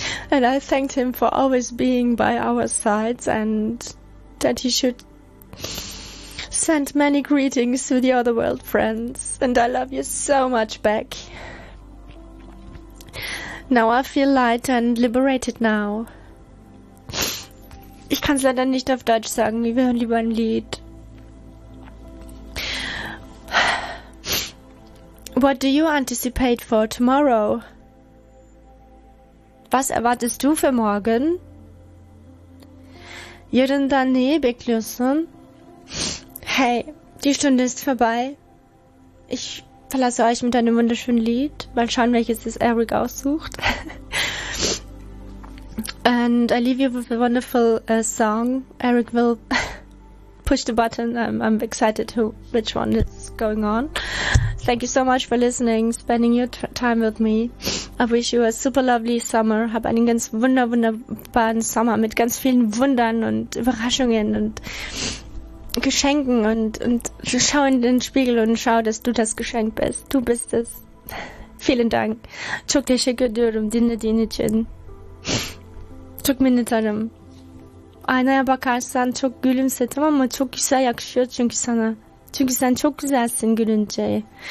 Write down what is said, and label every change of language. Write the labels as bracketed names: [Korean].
[English] And I thanked him for always being by our sides and that he should send many greetings to the other world friends. And I love you so much, Beck. Now I feel light and liberated now. [German] Ich kann es leider nicht auf Deutsch sagen, wir hören lieber ein Lied. [English] What do you anticipate for tomorrow? [German] Was erwartest du für morgen? Jürgen Dani, Beklüssen. Hey, die Stunde ist vorbei. Ich verlasse euch mit einem wunderschönen Lied. Mal schauen, welches es Eric aussucht. [English] And I leave you with a wonderful song. Eric will push the button. I'm excited to which one is going on. Thank you so much for listening, spending your time with me. I wish you a super lovely summer. [German] Hab einen ganz wunderbaren Sommer mit ganz vielen Wundern und Überraschungen und Geschenken. Und schau in den Spiegel und schau, dass du das Geschenk bist. Du bist es. Vielen Dank. [Turkish] Çok teşekkür ediyorum dinlediğin için. Çok minnettarım. Aynaya bakarsan çok gülümse, tamam mı? Çok güzel yakışıyor çünkü sana. Çünkü sen çok güzelsin gülünce.